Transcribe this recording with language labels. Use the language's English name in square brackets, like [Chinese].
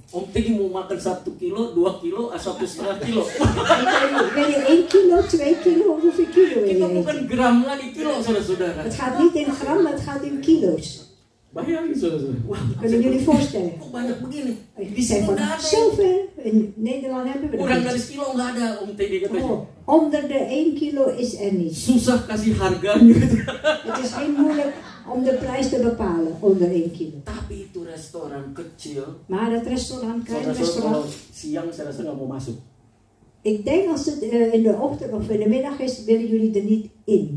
[Indonesian] Om Teddy mau makan 1 kilo, 2 kilo, atau 1,5 kilo. [Dutch] Ben je 1 kilo, 2 kilo, hoeveel kilo wil je eten? [Indonesian] Kita bukan gram lagi, kilo, saudara-saudara. [Dutch] Het gaat niet in gram, maar het gaat in kilo's. [Indonesian] Bayangin, saudara-saudara. [Dutch] Kunnen jullie voorstellen? [Indonesian] Kok banyak begini? Di sini gak ada. Zoveel. [Dutch] In Nederland hebben we dat. [Indonesian] Kurang dari kilo gak ada, om Teddy katanya. [Dutch] Onder de 1 kilo is er niet. [Indonesian] Susah kasih harganya. [Dutch] Het is heel moeilijk om de prijs te bepalen onder 1 kilo. [Indonesian] Tapi itu restoran kecil. [Dutch] Maar dat restaurant, klein restaurant. [Indonesian] Siang saya rasa gak mau masuk. [Dutch] Ik denk als het in de ochtend of in de middag is, willen jullie er niet in.